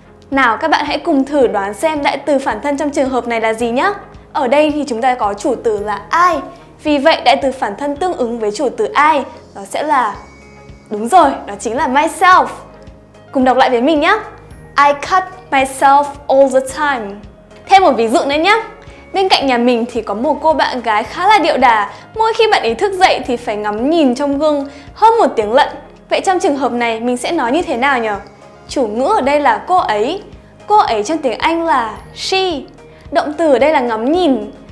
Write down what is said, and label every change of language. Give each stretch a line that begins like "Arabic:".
Vietnamese: Nào các bạn hãy cùng thử đoán xem đại từ phản thân trong trường hợp này là gì nhé. Ở đây thì chúng ta có chủ từ là I, Vì vậy, đại từ phản thân tương ứng với chủ từ I đó sẽ là... Đúng rồi, đó chính là myself. Cùng đọc lại với mình nhé.
English: I cut myself all the time.
Vietnamese: Thêm một ví dụ nữa nhé. Bên cạnh nhà mình thì có một cô bạn gái khá là điệu đà. Mỗi khi bạn ấy thức dậy thì phải ngắm nhìn trong gương hơn một tiếng lận. Vậy trong trường hợp này mình sẽ nói như thế nào nhỉ? Chủ ngữ ở đây là cô ấy. Cô ấy trong tiếng Anh là she. Động từ ở đây là ngắm nhìn.